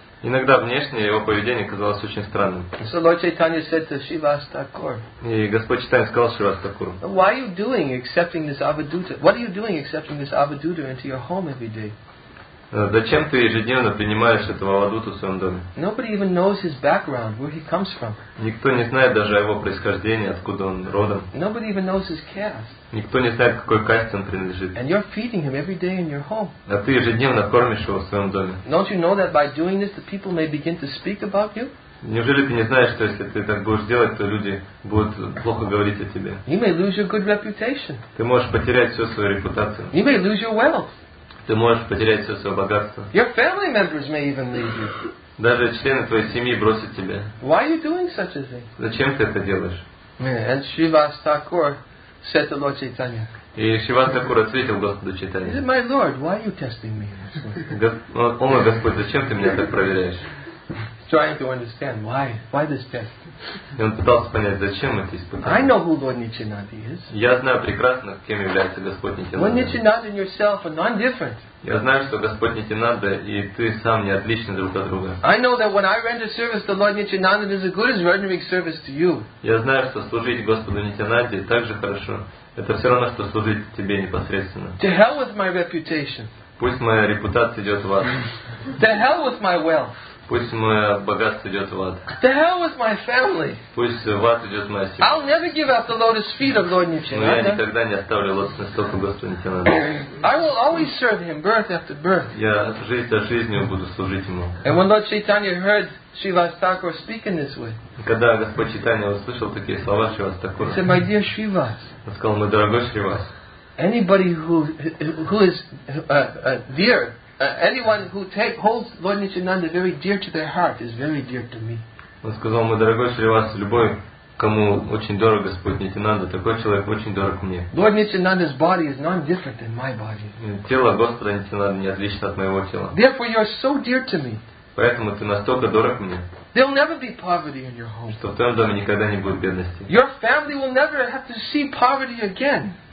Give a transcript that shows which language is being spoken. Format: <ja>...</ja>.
<ru>Иногда внешнее его поведение казалось очень странным.</ru> <en>So Lord Chaitanya said to Shivas Thakur.</en> <ru>И Господь Чайтанья сказал Шивас Такуру.</ru> <en>Why are you doing accepting this avaduta? What are you doing accepting this avaduta into your home every day?</en> <ru>Зачем ты ежедневно принимаешь этого авадуту в своем доме?</ru> <en>Nobody even knows his background, where he comes from.</en> <ru>Никто не знает даже о его происхождении, откуда он родом.</ru> <en>Nobody even knows his caste.</en> <ru>Никто не знает, какой касте он принадлежит.</ru> <en>And you're feeding him every day in your home.</en> <ru>А ты ежедневно кормишь его в своем доме.</ru> <en>Don't you know that by doing this, the people may begin to speak about you?</en> <ru>Неужели ты не знаешь, что если ты так будешь делать, то люди будут плохо говорить о тебе?</ru> <en>You may lose your good reputation.</en> <ru>Ты можешь потерять всю свою репутацию.</ru> <en>You may lose your wealth.</en> <ru>Ты можешь потерять все свое богатство.</ru> <en>Your family members may even leave you.</en> <ru>Даже члены твоей семьи бросят тебя.</ru> <en>Why are you doing such a thing?</en> <ru>Зачем ты это делаешь?</ru> <en>And Shrivas Thakur said to Lord Chaitanya.</en> <ru>И Шриван Такур ответил Господу Чайтанье.</ru> <en>My Lord, why are you testing me?</en> <ru>О мой Господь, зачем ты меня так проверяешь?</ru> <en>Trying to understand why this test.</en> <ru>И он пытался понять, зачем это испытание.</ru> <en>I know who Lord Nityananda is.</en> <ru>Я знаю прекрасно, кем является Господь Нитянанда.</ru> <en>Lord Nityananda and yourself are non different.</en> <ru>Я знаю, что Господь Нитянанда и ты сам не отличны друг от друга.</ru> <en>I know that when I render service to Lord Nityananda, it is as good as rendering service to you.</en> <ru>Я знаю, что служить Господу Нитянанде так же хорошо. Это все равно, что служить тебе непосредственно.</ru> <en>To hell with my reputation.</en> <ru>Пусть моя репутация идет в ад.</ru> <en>To hell with my wealth.</en> <ru>Пусть мое богатство идет в ад.</ru> <en>To hell with my family.</en> <ru>Пусть в ад идет моя семья.</ru> <en>I'll never give up the lotus feet of Lord Nityananda.</en> <ru>Но я никогда не оставлю лотосные стопы Господа Нитянанды.</ru> <en>I will always serve him birth after birth.</en> <ru>Я жизнь за жизнью буду служить ему.</ru> <en>And when Lord Chaitanya heard Shrivas Thakur speaking this way,</en> <ru>когда Господь Чайтанья услышал такие слова Шривас Такура,</ru> <en>he said, "My dear Shrivas."</en> <ru>Он сказал, мой дорогой Шривас.</ru> <en>Anybody who is dear. Anyone who holds Lord Nityananda very dear to their heart is very dear to me.</en> <ru>Он сказал, мой дорогой Шривас, любой, кому очень дорог Господь Нитянанда, такой человек очень дорог мне.</ru> <en>Lord Nityananda's body is not different than my body.</en> <ru>Тело Господа Нитянанды не отлично от моего тела.</ru> <en>Therefore, you are so dear to me.</en> <ru>Поэтому ты настолько дорог мне.</ru> <en>There'll never be poverty in your home.</en> <ru>Что в твоем доме никогда не будет бедности.</ru> <en>Your family will never have to see poverty again.</en>